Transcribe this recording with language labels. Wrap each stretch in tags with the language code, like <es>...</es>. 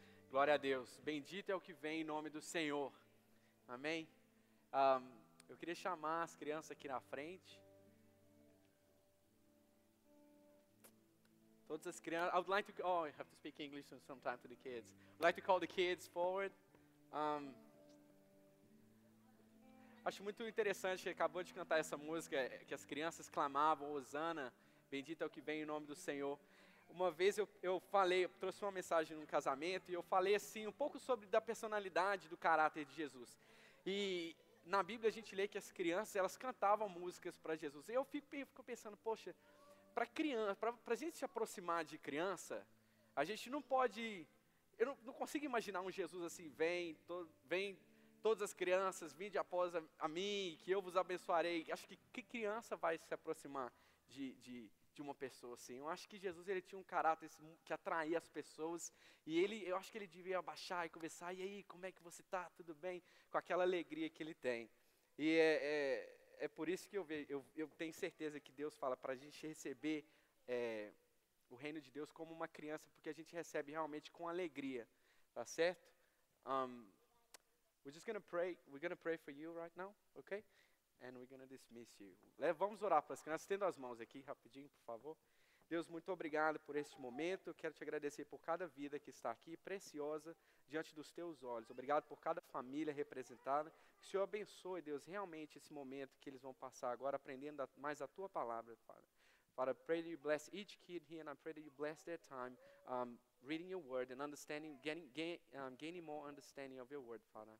<pt>Glória a Deus, bendito é o que vem em nome do Senhor, amém? Eu queria chamar as crianças aqui na frente. Todas as crianças,</pt> <en>I would like to, oh, I have to speak English sometime to the kids. I'd like to call the kids forward.</en> <pt>Acho muito interessante que acabou de cantar essa música, que as crianças clamavam, Hosana, bendito é o que vem em nome do Senhor. Uma vez eu trouxe uma mensagem num casamento e eu falei assim um pouco sobre da personalidade, do caráter de Jesus. E na Bíblia a gente lê que as crianças, elas cantavam músicas para Jesus. E eu fico pensando, poxa, para criança, para a gente se aproximar de criança, a gente não pode, eu não consigo imaginar um Jesus assim, vem todas as crianças, vinde após a mim, que eu vos abençoarei. Acho que criança vai se aproximar de uma pessoa assim? Eu acho que Jesus, ele tinha um caráter que atraía as pessoas, e eu acho que ele devia abaixar e conversar, e aí, como é que você está, tudo bem? Com aquela alegria que ele tem. E é por isso que eu tenho certeza que Deus fala para a gente receber o reino de Deus como uma criança, porque a gente recebe realmente com alegria, tá certo?</pt> <en>We're just going to pray, we're going to pray for you right now, okay? And we're going to dismiss you.</en> <pt>Vamos orar para as crianças. Estendo as mãos aqui, rapidinho, por favor. Deus, muito obrigado por este momento. Quero te agradecer por cada vida que está aqui, preciosa, diante dos teus olhos. Obrigado por cada família representada. Que o Senhor abençoe, Deus, realmente esse momento que eles vão passar agora, aprendendo mais a tua palavra, Father.</pt> <en>Father, I pray that you bless each kid here, and I pray that you bless their time reading your word and understanding, gaining more understanding of your word, Father.</en>